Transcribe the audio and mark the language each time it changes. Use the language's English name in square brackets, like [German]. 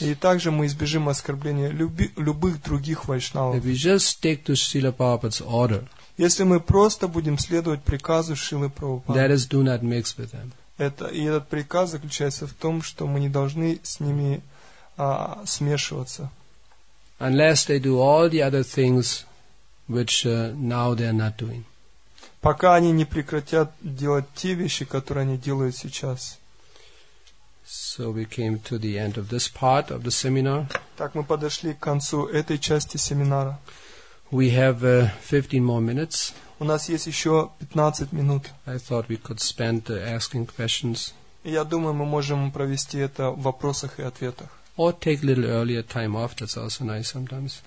[Russian] И также мы избежим оскорбления любых других вайшнавов. [English] If we just stick to Srila Prabhupada's order. [Russian] Если мы просто будем следовать приказу Шрилы Прабхупады. [English] That is, do not mix with them. [Russian] Этот приказ заключается в том, что мы не должны с ними смешиваться. [English] Unless they do all the other things which now they are not doing. [Russian] Пока они не прекратят делать те вещи, которые они делают сейчас. [English] So we came to the end of this part of the seminar. [Russian] Так мы подошли к концу этой части семинара. [English] We have 15 more minutes. [Russian] У нас есть еще 15 минут. [English] I thought we could spend asking questions. [Russian] Я думаю, мы можем провести это в вопросах и ответах. [English] Or take a little earlier time off, that's also nice sometimes.